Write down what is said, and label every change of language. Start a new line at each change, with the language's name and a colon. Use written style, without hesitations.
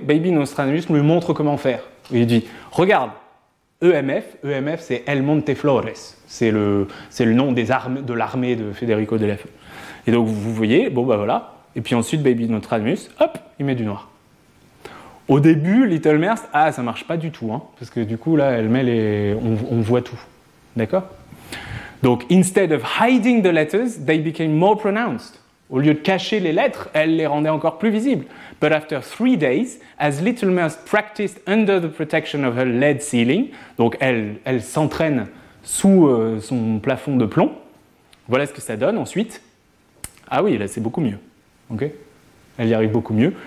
French: « Baby Nostradamus lui montre comment faire. » Il dit « Regarde, EMF. » EMF, c'est « El Monte Flores ». C'est le nom de l'armée de Federico de la Feu. Et donc, vous voyez, bon, ben voilà. Et puis ensuite, Baby Nostradamus, hop, il met du noir. Au début, Little Mers, ah, ça marche pas du tout, hein, parce que du coup, là, elle met les... On voit tout. D'accord ?
English: Donc, instead of hiding the letters, they became more pronounced.
French: Au lieu de cacher les lettres, elle les rendait encore plus visibles.
English: But after 3 days, as Little Mers practiced under the protection of her lead ceiling,
French: donc elle s'entraîne sous son plafond de plomb, voilà ce que ça donne ensuite. Ah oui, là, c'est beaucoup mieux. Ok ? Elle y arrive beaucoup mieux.